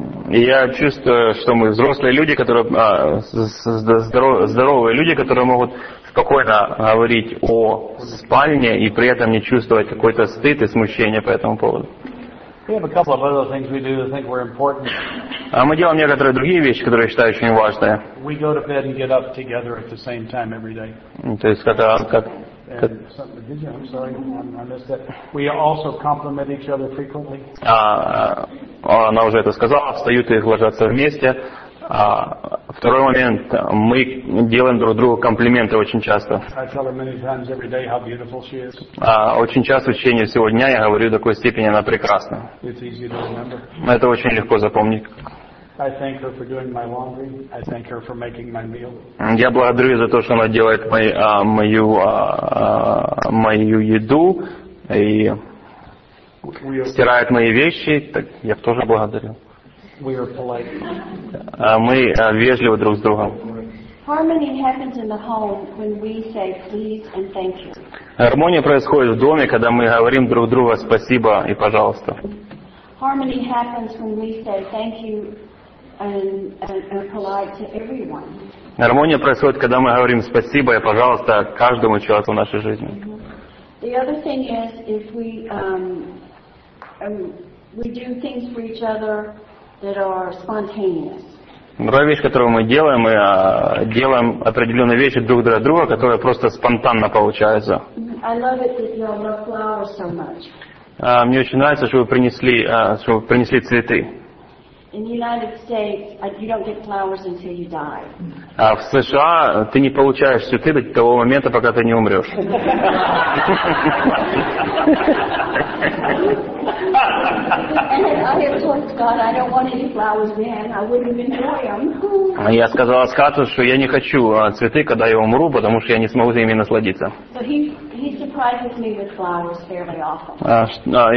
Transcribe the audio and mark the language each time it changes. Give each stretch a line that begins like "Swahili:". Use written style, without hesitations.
Russian: Я чувствую, что мы взрослые люди, которые здоровые люди, которые могут спокойно говорить о спальне и при этом не чувствовать какой-то стыд и смущение по этому поводу. А мы делаем некоторые другие вещи, которые я считаю очень важные.
English: We go to bed and get up together at the same time every day.
Russian: То есть когда как.
English: We also compliment each other frequently.
Russian: Она уже это сказала, встают и ложатся вместе. Второй момент, мы делаем друг другу комплименты очень часто. Очень часто в течение всего дня я говорю, до такой степени она прекрасна. Это очень легко запомнить.
English: I thank her for doing my laundry. I thank her for making my meal.
Russian: Я благодарю ее за то, что она делает мою еду и стирает мои вещи. Так я тоже благодарю.
English: We are polite.
Russian: Мы вежливы друг с другом.
English: Harmony happens in the home when we say please and thank you.
Russian: Гармония происходит в доме, когда мы говорим друг другу спасибо и пожалуйста.
English: Harmony happens when we say thank you. And polite to everyone.
Russian: Гармония происходит, когда мы говорим спасибо и пожалуйста каждому человеку в нашей жизни.
English: The other thing is, if we do things for each other that are spontaneous.
Russian: Другая вещь, которую мы делаем, мы делаем определенные вещи друг для друга, которые просто спонтанно получаются.
English: I love it that you love flowers so much.
Russian: Мне очень нравится, что вы принесли, цветы.
English: In the United States, you don't get flowers until you die.
Russian: В США ты не получаешь цветы до того момента, пока ты не умрешь.
English: And I have told Scott, I don't want any flowers then. I wouldn't enjoy them.
Russian: Я сказала Скотту, что я не хочу цветы, когда я умру, потому что я не смогу ими насладиться.
English: So he surprises me with flowers fairly often.